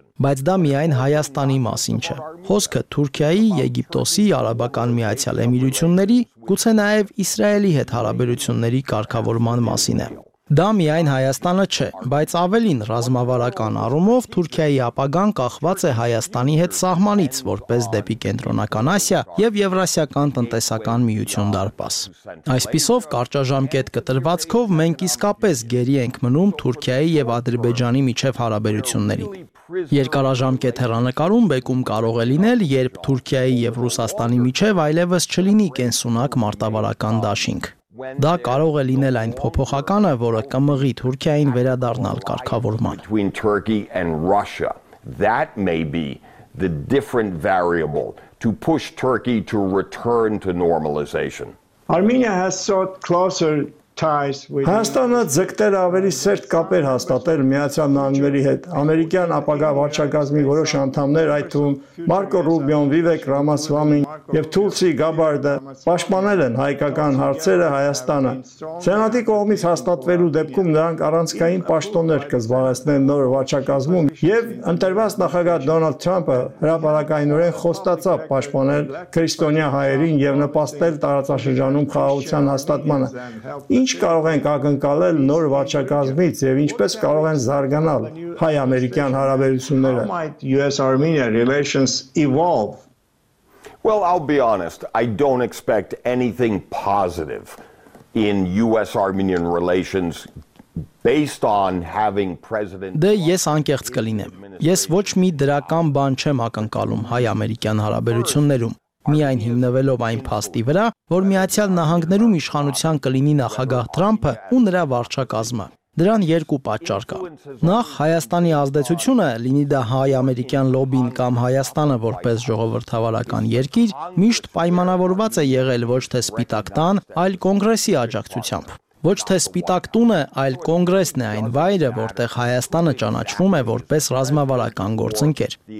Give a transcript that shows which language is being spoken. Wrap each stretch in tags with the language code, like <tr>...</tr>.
<hy>Բայց դա միայն Հայաստանի մասին չէ։ Խոսքը Թուրքիայի, Եգիպտոսի, Արաբական Միացյալ Էմիրությունների, գուցե նաև Իսրայելի հետ հարաբերությունների կարգավորման մասին է։ Դա միայն Հայաստանը չէ, բայց ավելին ռազմավարական առումով Թուրքիայի ապագան կախված է Հայաստանի հետ սահմանից, որպես դեպի կենտրոնական Ասիա եւ Եվրասիական տնտեսական միություն դարպաս։ Այսպիսով կարճաժամկետ կտրվածքով մենք իսկապես գերի ենք մնում Թուրքիայի եւ Ադրբեջանի միջև հարաբերությունների։ Երկարաժամկետ հեռանկարում բեկում կարող է լինել, երբ Թուրքիայի եւ Ռուսաստանի միջև այլևս չլինի կենսունակ մարտավարական դաշինք։ Դա կարող է լինել այն փոփոխականը, որը կմղի Թուրքիային վերադառնալ կարգավորման։</hy> <en>Between Turkey and Russia, that may be the different variable to push Turkey to return to normalization. Armenia has sought closer ties with</en> <hy>Հայաստանը ձգտել ավելի սերտ կապեր հաստատել Միացյալ Նահանգների հետ։ Ամերիկյան ապագա վարչակազմի որոշ անդամներ, այդ թվում Մարկո Ռուբիոն, Վիվեկ Ռամասվամի և Թուլսի Գաբարդը պաշտպանել են հայկական հարցերը Հայաստանը։ Սենատի կողմից հաստատվելու դեպքում նրանք առանցքային պաշտոններ կզբաղեցնեն նոր վարչակազմում, և ընտրված նախագահ Դոնալդ Թրամփը հրապարակայնորեն խոստացավ պաշտպանել քրիստոնյա հայերին և նպաստել տարածաշրջանում խաղաղության հաստատմանը։ Ինչ կարող ենք ակնկալել նոր վարչակազմից և ինչպես կարող են զարգանալ հայ-ամերիկյան հարաբերությունները։</hy> <en>Well, I'll be honest, I don't expect anything positive in US-Armenian relations based on having President</en> <hy>Դե ես անկեղծ կլինեմ։ Ես ոչ մի դրական բան չեմ ակնկալում հայ-ամերիկյան հարաբերություններում, Միայն հիմնվելով այն փաստի վրա, որ Միացյալ Նահանգներում իշխանության կլինի նախագահ Թրամփը ու նրա վարչակազմը։ Դրան երկու պատճառ կա։ Նախ, Հայաստանի ազդեցությունը, լինի դա հայ-ամերիկյան լոբին կամ Հայաստանը որպես ժողովրդավարական երկիր, միշտ պայմանավորված է եղել ոչ թե Սպիտակ տան, այլ կոնգրեսի աջակցությամբ։ Ոչ թե Սպիտակ տունը, այլ կոնգրեսն է այն վայրը, որտեղ Հայաստանը ճանաչվում է որպես ռազմավարական գործընկեր։</hy>